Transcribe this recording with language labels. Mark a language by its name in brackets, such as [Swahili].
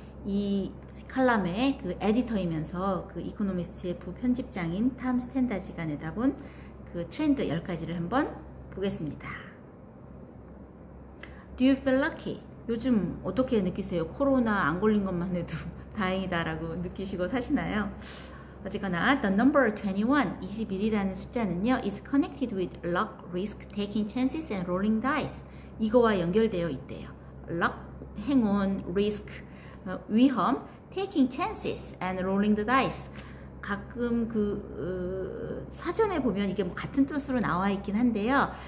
[Korean] 이 칼럼의 그 에디터이면서 그 이코노미스트의 부편집장인 탐 스탠다지가 내다본 그 트렌드 10가지를 한번 보겠습니다. [English] Do you feel lucky? [Korean] 요즘 어떻게 느끼세요? 코로나 안 걸린 것만 해도 다행이다라고 느끼시고 사시나요? 어쨌거나 [English] the number 21이라는 [Korean] 숫자는요 [English] is connected with luck, risk, taking chances and rolling dice. [Korean] 이거와 연결되어 있대요. [English] luck, [Korean] 행운, [English] risk, [Korean] 위험, [English] taking chances and rolling the dice. [Korean] 가끔 사전에 보면 이게 뭐 같은 뜻으로 나와 있긴 한데요.